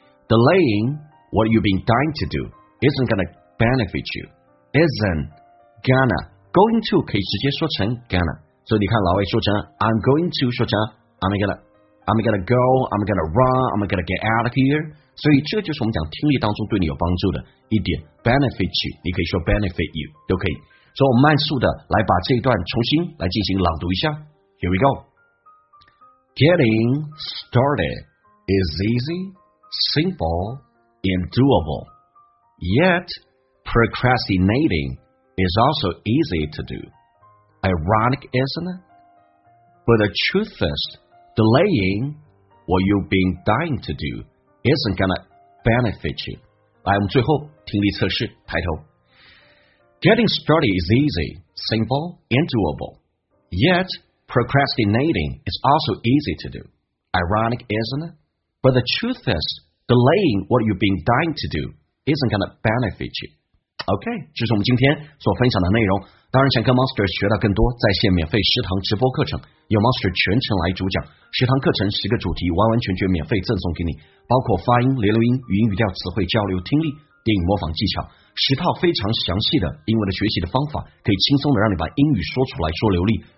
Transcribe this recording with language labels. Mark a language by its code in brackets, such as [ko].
[en] Delaying what you've been dying to do isn't gonna benefit you， isn't gonna， going to [zh] 可以直接说成 [en] gonna， [zh] 所以你看老外说成 [en] I'm going to， [zh] 说成 [en] I'm gonna go， I'm gonna run， I'm gonna get out of here。 [zh] 所以这就是我们讲听力当中对你有帮助的一点， benefit you， 你可以说 benefit you 都可以。所以我们慢速的来把这一段重新来进行朗读一下。 [en] Here we goGetting started is easy, simple, and doable. Yet, procrastinating is also easy to do. Ironic, isn't it? But the truth is, delaying what you've been dying to do isn't gonna benefit you. [zh] 来，我们最后听力测试，抬头。 [en] Getting started is easy, simple, and doable. Yet,Procrastinating is also easy to do. Ironic, isn't it? But the truth is, delaying what you've been dying to do isn't going to benefit you. [zh] OK， 这是我们今天所分享的内容。当然想跟 Monster 学到更多，在线免费食堂直播课程，由 Monster 全程来主讲，食堂课程十个主题完完全全免费赠送给你，包括发音、连读音、语音语调、词汇交流、听力、电影模仿技巧，十套非常详细的英文的学习的方法，可以轻松的让你把英语说出来说流利。